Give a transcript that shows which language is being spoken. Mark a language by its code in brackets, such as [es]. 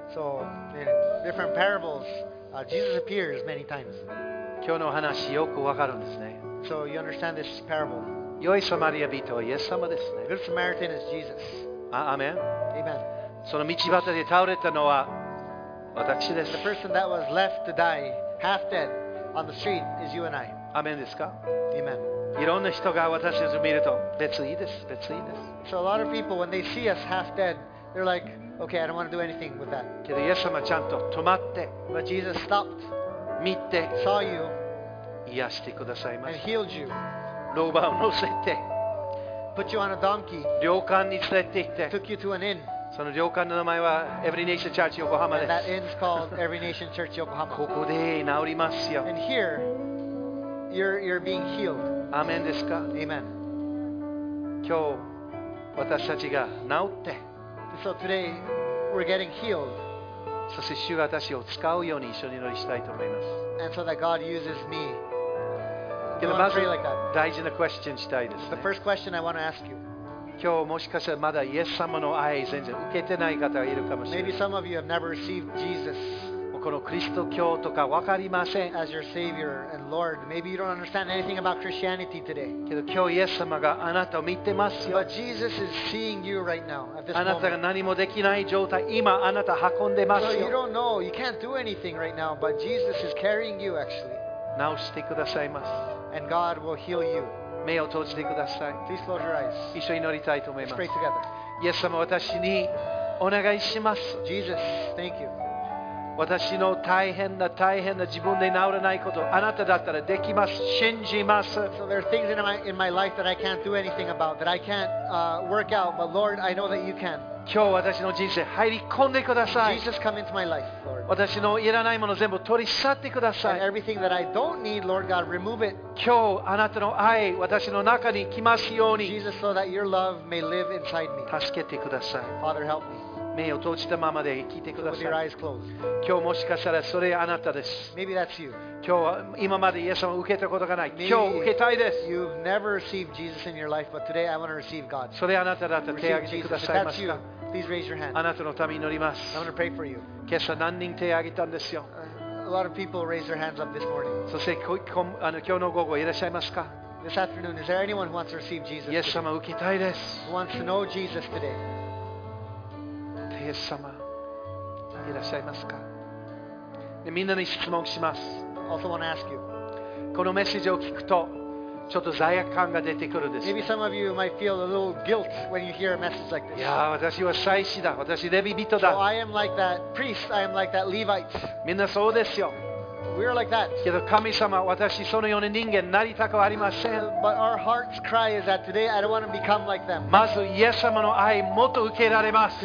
[en] So, in different parables, Jesus appears many times. [ja] 今日の話よくわかるんですね。 [en] So, you understand this parable. [ja] 良いサマリア人はイエス様ですね。 [en] Good Samaritan is Jesus. Amen. Amen. [ja] その道端で倒れたのは私です。 [en] The person that was left to die, half dead, on the street, is you and I. [ja] Amen ですか? [en] Amen. [ja] いろんな人が私を見ると別にいいです別にいいです [en] So a lot of people when they see us half dead they're like okay I don't want to do anything with that [ja] けどイエス様ちゃんと止まって [en] But Jesus stopped [ja] 見て [en] saw you [ja] 癒してくださいました [en] and healed you [ja] 老婆を乗せて [en] put you on a donkey [ja] 旅館に連れて行って [en] took you to an inn [ja] その旅館の名前は Every Nation Church Yokohama です [en] and that inn's called Every Nation Church Yokohama [ja] ここで治りますよ [en] and here you're being healed [ja] アメンですか? [en] Amen. [ja] 今日私たちが治って [en] So today we're getting healed. [ja] そして主が私を使うように一緒に祈りしたいと思います。 [en] And so that God uses me. [ja] でもまず大事なクエスチョンしたいですね。 [en] The first question I want to ask you. [ja] 今日もしかしたらまだイエス様の愛全然受けてない方がいるかもしれない。 [en] Maybe some of you have never received Jesus. [ja] このクリスト教とか分かりません。 [en] As your Savior and Lord, maybe you don't understand anything about Christianity today. [ja] けど今日イエス様があなたを見てますよ。 [en] But Jesus is seeing you right now at this [ja] あなたが何もできない状態、今あなた運んでますよ。 [en] So you don't know, you can't do anything right now, but Jesus is carrying you actually. [ja] 治してくださいます。 [en] And God will heal you. [ja] 目を閉じてください。 [en] Please close your eyes. [ja] 一緒に祈りたいと思います。 [en] Let's pray together. [ja] イエス様、私にお願いします。 [en] Jesus, thank you. [ja] 私の大変な大変な自分で治らないことあなただったらできます信じます [en] So there are things in my life that I can't do anything about that I can't work out but Lord I know that you can [ja] 今日私の人生入り込んでください [en] Jesus come into my life Lord [ja] 私のいらないもの全部取り去ってください [en] And everything that I don't need Lord God remove it [ja] 今日あなたの愛私の中に来ますように [en] Jesus so that your love may live inside me [ja] 助けてください [en] Father help me [ja] 目を閉じたままで聞いてください。今日もしかしたらそれあなたです。 [en] Maybe that's you. [ja] 今日今までイエス様を受けたことがない。 [en] Maybe、 [ja] 今日受けたいです。 [en] You've never received Jesus in your life, but today I want to receive God. [ja] それあなただったら手を挙げてくださいますか。 [en] If that's you, please raise your hand. [ja] あなたのために祈ります。 [en] I'm going to pray for you. [ja] 今朝何人手を挙げたんですよ。 [en] A lot of people raised their hands up this morning. [ja] そして今日の午後いらっしゃいますか。 [en] This afternoon, is there anyone who wants to receive Jesus? [ja] イエス様受けたいです。 [en] Who wants to know Jesus today? [ja] イエス様いらっしゃいますかでみんなに質問します [en] also want to ask you. [ja] このメッセージを聞くとちょっと罪悪感が出てくるんです [en] Maybe some of you might feel a little guilt when you hear a message like this [ja] いや私は祭司だ私レビ人だ [en] So I am like that priest I am like that Levite [ja] みんなそうですよ [en] We are like that [ja] けど神様私そのような人間なりたくありません [en] But our heart's cry is that today I don't want to become like them [ja] まずイエス様の愛もっと受けられます